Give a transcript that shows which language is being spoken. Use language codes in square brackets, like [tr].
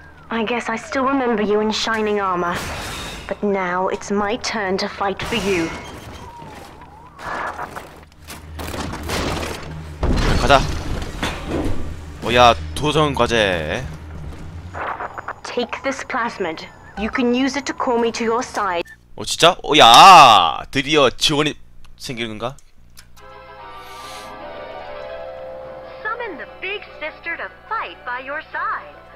[en] I guess I still remember you in shining armor. But now it's my turn to fight for you. [ko] 가자. 뭐야, 도전 과제. [en] Take this plasmid. You can use it to call me to your side. [ko] 진짜? 야, 드디어 지원이 생기는 건가? [en] Summon the big sister to fight by your side.